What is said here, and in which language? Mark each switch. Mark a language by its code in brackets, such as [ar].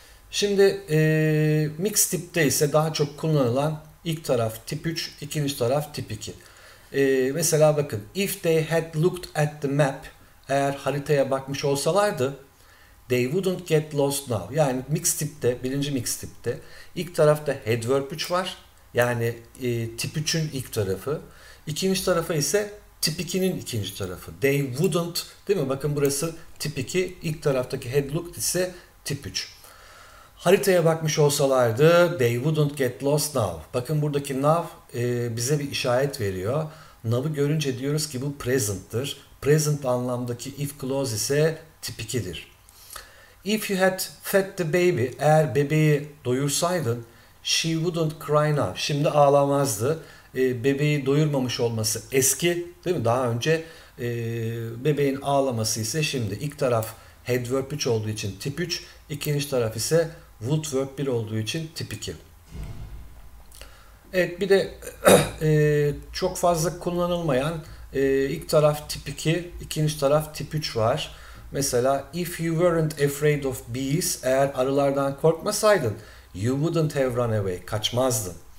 [tr] Şimdi mix tipte ise daha çok kullanılan ilk taraf tip 3, ikinci taraf tip 2. Mesela bakın, [en] if they had looked at the map, [tr] eğer haritaya bakmış olsalardı, [en] they wouldn't get lost now. [tr] Yani mix tipte, birinci mix tipte ilk tarafta had verb 3 var. Yani tip 3'ün ilk tarafı. İkinci tarafı ise tip 2'nin ikinci tarafı. [en] They wouldn't, [tr] değil mi? Bakın burası tip 2. İlk taraftaki had looked ise tip 3. Haritaya bakmış olsalardı [en] they wouldn't get lost now. [tr] Bakın buradaki now bize bir işaret veriyor. Now'ı görünce diyoruz ki bu present'tır. Present anlamdaki if clause ise tip 2'dir. [en] If you had fed the baby, [tr] eğer bebeği doyursaydın, [en] she wouldn't cry now. [tr] Şimdi ağlamazdı. Bebeği doyurmamış olması eski, değil mi? Daha önce bebeğin ağlaması ise şimdi. İlk taraf head verb 3 olduğu için tip 3. İkinci taraf ise would verb 1 olduğu için tip 2. Evet, bir de çok fazla kullanılmayan ilk taraf tip 2, ikinci taraf tip 3 var. Mesela [en] if you weren't afraid of bees, [tr] eğer arılardan korkmasaydın, [en] you wouldn't have run away, [tr] kaçmazdın.